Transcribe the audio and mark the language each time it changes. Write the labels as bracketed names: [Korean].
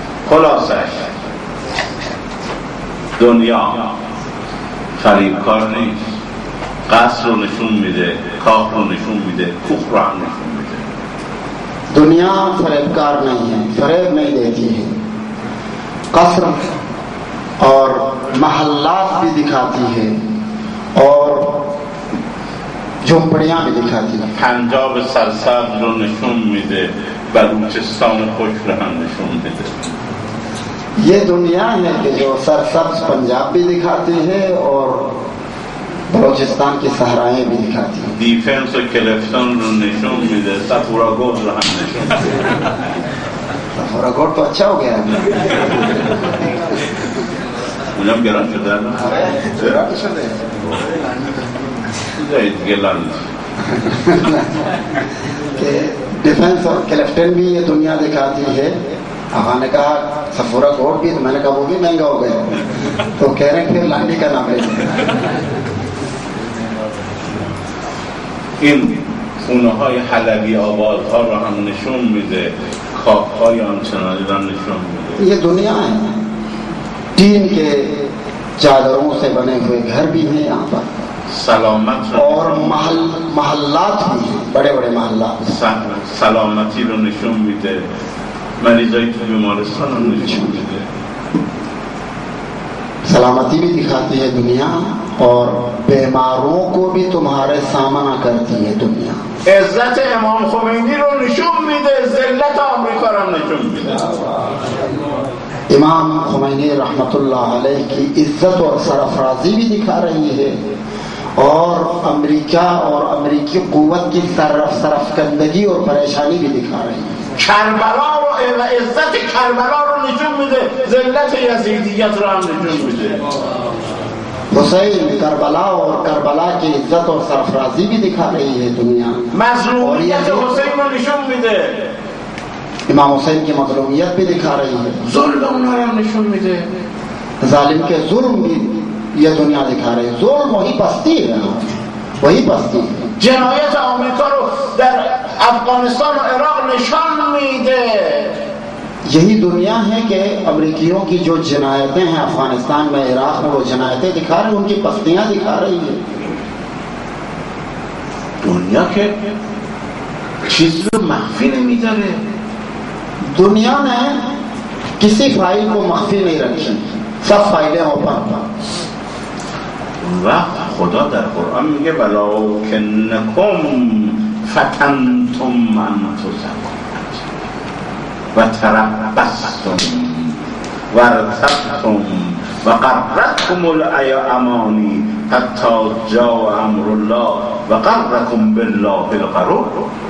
[Persian] خلاصش دنیا فریبکار نیست، قصر رو نشون میده، کاخ رو نشون میده، کوخ رو هم نشون میده. [Urdu] دنیا فریبکار نہیں ہے، فریب نہیں دیتی ہے، قصر اور محلات بھی دکھاتی ہے اور جھوپڑیاں بھی دکھاتی ہے. [Persian] پنجاب سرسبز رو نشون میده، بلوچستان خوش رو هم نشون میده. [Urdu] یہ دنیا ہے کہ جو سرسبز پنجاب بھی دکھاتی ہے اور بلوچستان کی صحرائیں بھی دکھاتی ہیں. [Persian] دیفنس و کلفتون رو نشون میده، سفوراگورد رو هم نشون میده. [Urdu] سفوراگورد تو اچھا ہو گیا ہے، [Persian] اونم گران شده. آره گران شده، جایی دیگه لند [Urdu] که دیفنس و کلفتون بھی یہ دنیا دکھاتی ہے. آقا نے کہا سفوراگورد بھی، تو میں نے کہا وہ بھی مہنگا ہو گیا، تو کہہ رہے ہیں پھر لانڈی کا نام لے. [Persian] این خونه های حلبی آباد ها رو هم نشون میده، کاخ های آنچنانی رو هم نشون میده. [Urdu] یه دنیا ہے، دین کے چادروں سے بنے ہوئے گھر بھی ہیں یہاں پر، [Persian] سلامت [Urdu] اور محلات بھی ہیں، بڑے بڑے محلات. [Persian] سلامتی رو نشون میده، مریضای تو بیمارستان رو نشون میده. [Urdu] سلامتی بھی دکھاتی ہے دنیا، اور بیماروں کو بھی تمہارے سامنا کرتی ہے دنیا. [Persian] عزت امام خمینی رو نشون میده، ذلت امریکا رو نشون میده. [Urdu] امام خمینی رحمت اللہ علیہ کی عزت اور سرفرازی بھی دکھا رہی ہے، اور امریکہ اور امریکی قوت کی سرفکندگی اور پریشانی بھی دکھا رہی ہے. [Persian] کربلا رو، عزت کربلا رو نشون میده، ذلت یزیدیت رو هم نشون میده. [Urdu] حسین کربلا اور کربلا کی عزت اور سرفرازی بھی دکھا رہی ہے دنیا، [Persian] مظلومیت حسین رو نشون میده، [Urdu] امام حسین کی مظلومیت بھی دکھا رہی ہے، [Persian] ظلم رو هم نشون میده، [Urdu] ظالم کے ظلم بھی یہ دنیا دکھا رہی ہے. ظلم وہی پستی ہے، وہی پستی ہے. [Persian] جنایت آمریکا رو در افغانستان و عراق نشان میده. [Urdu] یہی دنیا ہے کہ امریکیوں کی جو جنایتیں ہیں افغانستان میں، عراق میں، وہ جنایتیں دکھا رہے ہیں، ان کی پستیاں دکھا رہی ہیں. [Persian] دنیا کے چیز رو مخفی نمی داره، [Urdu] دنیا نے کسی فائل کو مخفی نہیں رکھی، سب فائلیں اوپن. [Persian] وقت خدا در قرآن میگه [Arabic] ولکنکم فتنتم انفسکم و تربستم و ارتبتم و قررتم الامانی حتی جا امر الله و قررتم بالله القرور.